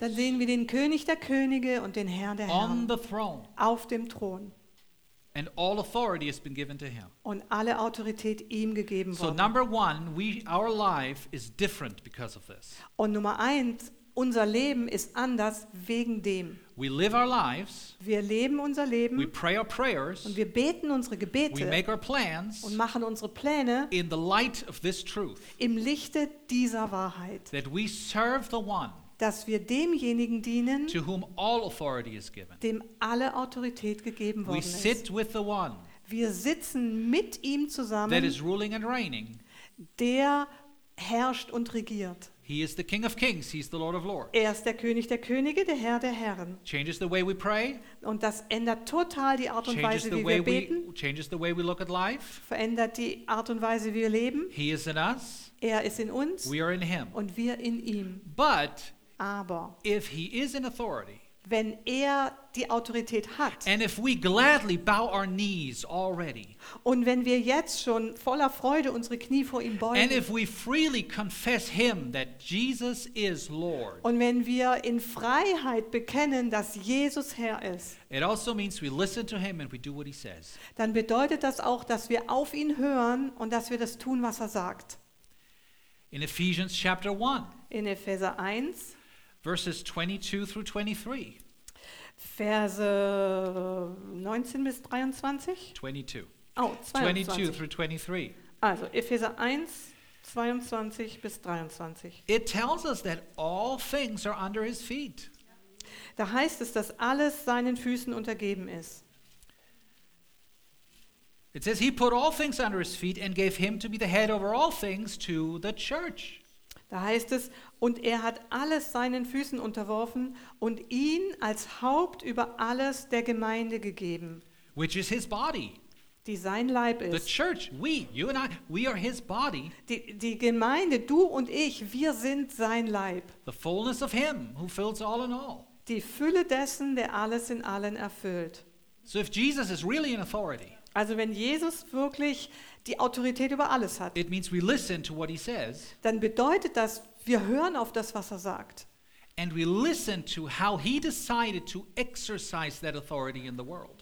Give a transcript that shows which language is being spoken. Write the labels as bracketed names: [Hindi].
[German] Dann sehen wir den König der Könige und den Herr der Herren. [English] On the throne. [German] Auf dem Thron. [English] And all authority has been given to him. [German] Und alle Autorität ihm gegeben so worden. [English] So number one, our life is different because of this. [German] Und Nummer eins, unser Leben ist anders wegen dem. [English] We live our lives. [German] Wir leben unser Leben. [English] We pray our prayers. [German] Und wir beten unsere Gebete. [English] We make our plans. [German] Und machen unsere Pläne. [English] In the light of this truth. [German] Im Lichte dieser Wahrheit. [English] That we serve the one. [German] Dass wir demjenigen dienen. [English] To whom all authority is given. [German] Dem alle Autorität gegeben worden ist. [English] We sit with the one. [German] Wir sitzen mit ihm zusammen. [English] That is ruling and reigning. [German] Der herrscht und regiert. [English] He is the King of Kings, he is the Lord of Lords. [German] Er ist der König der Könige, der Herr der Herren. [English] Changes the way we pray. [German] Und das ändert total die Art und Weise, wie wir beten. [English] Changes the way we look at life. [German] Verändert die Art und Weise, wie wir leben. [English] He is in us. [German] Er ist in uns. [English] We are in him. [German] Und wir in ihm. [English] But [German] aber [English] if he is in authority, [German] wenn er die Autorität hat. [English] And if we gladly bow our knees already. [German] Und wenn wir jetzt schon voller Freude unsere Knie vor ihm beugen. [English] And if we freely confess him that Jesus is Lord. [German] Und wenn wir in Freiheit bekennen, dass Jesus Herr ist. [English] It also means we listen to him and we do what he says. [German] Dann bedeutet das auch, dass wir auf ihn hören und dass wir das tun, was er sagt. [English] In Ephesians chapter 1. [German] In Epheser 1. [English] Verses 22 through 23. [German] Verse 19 bis 23. [English] 22. Oh, 22. 22 through 23. [German] Also Epheser 1, 22 bis 23. [English] It tells us that all things are under his feet. [German] Da heißt es, dass alles seinen Füßen untergeben ist. [English] It says he put all things under his feet and gave him to be the head over all things to the church. [German] Da heißt es, und er hat alles seinen Füßen unterworfen und ihn als Haupt über alles der Gemeinde gegeben. [English] Which is his body. [German] Die sein Leib ist. [English] The church, we, you and I, we are his body. [German] Die Gemeinde, du und ich, wir sind sein Leib. [English] The fullness of him who fills all in all. [German] Die Fülle dessen, der alles in allen erfüllt. [English] So if Jesus is really an authority. [German] Also wenn Jesus wirklich die Autorität über alles hat, [English] it means we listen to what he says, [German] dann bedeutet das, wir hören auf das, was er sagt. [English] And we listen to how he decided to exercise that authority in the world.